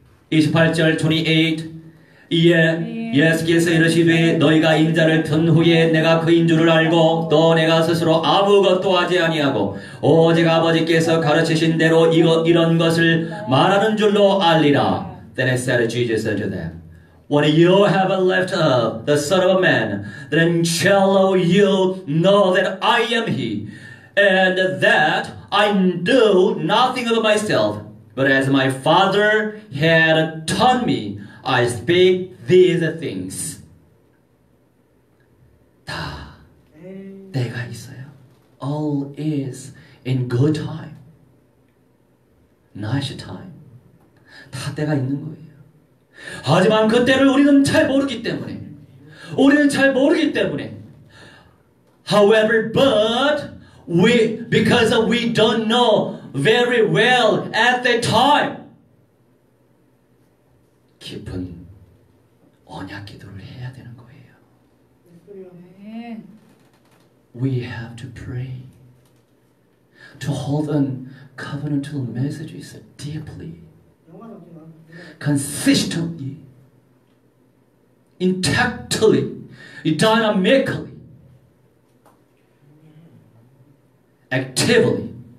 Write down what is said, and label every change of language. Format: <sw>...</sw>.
<ko>28절 28 이에 예수께서 이르시되 너희가 인자를 편 후에 내가 그 인줄을 알고 또 내가 스스로 아무것도 하지 아니하고 오직 아버지께서 가르치신 대로 이런 것을 말하는 줄로 알리라.</ko> <en>Then said Jesus unto them, When you have left up the Son of Man, then shall you know that I am he, and that I do nothing of myself. But as my father had taught me, I speak these things.</en> <ko>다 때가 있어요.</ko> <en>All is in good time. Nice time.</en> <ko>다 때가 있는 거예요. 하지만 그 때를 우리는 잘 모르기 때문에. 우리는 잘 모르기 때문에.</ko> <en>However, but we, because we don't know very well at the time.</en> <ko>깊은 언약 기도를 해야 되는 거예요.</ko> <en>We have to pray to hold on covenantal messages deeply, consistently, intactly, dynamically, actively.</en>